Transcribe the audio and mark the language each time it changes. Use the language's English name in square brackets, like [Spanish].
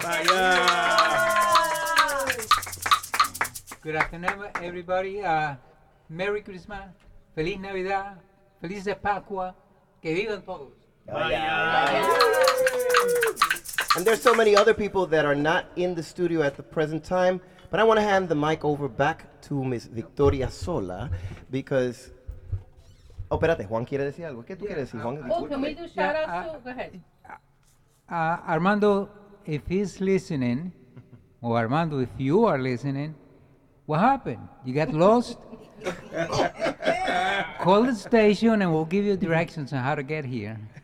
[Spanish] ¡Vaya! [English] Good afternoon, everybody. Merry Christmas. [Spanish] Feliz Navidad. Feliz de Pascua. ¡Que vivan todos! ¡Vaya! [English] And there's so many other people that are not in the studio at the present time. But I want to hand the mic over back to Miss Victoria Sola, because... [Spanish] Oh, espérate, Juan quiere decir algo. ¿Qué tú quieres decir, Juan? [English] Oh, can we do shout-outs too? Go ahead. Armando, if he's listening, or Armando, if you are listening, what happened? You got lost? Call the station and we'll give you directions on how to get here.